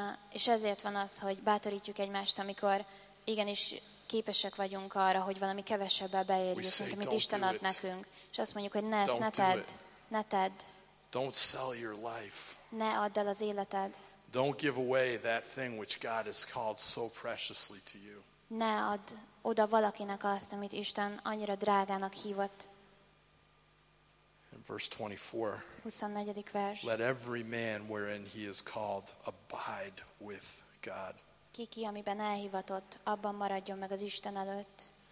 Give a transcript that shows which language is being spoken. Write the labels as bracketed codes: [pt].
[hu] És ezért van az, hogy bátorítjuk egymást, amikor igenis képesek vagyunk arra, hogy valami kevesebbel beérjük, mint amit Isten ad nekünk. És azt mondjuk, hogy ne ezt, ne tedd. Ne tedd. [en] Don't sell your life. [hu] Ne add el az életed. [en] Don't give away that thing which God has called so preciously to you. [hu] Ne add oda valakinek azt, amit Isten annyira drágának hívott. [en] 24. Let every man wherein he is called abide with God. [hu] Kiki, amiben elhivatott, abban maradjon meg az Isten előtt.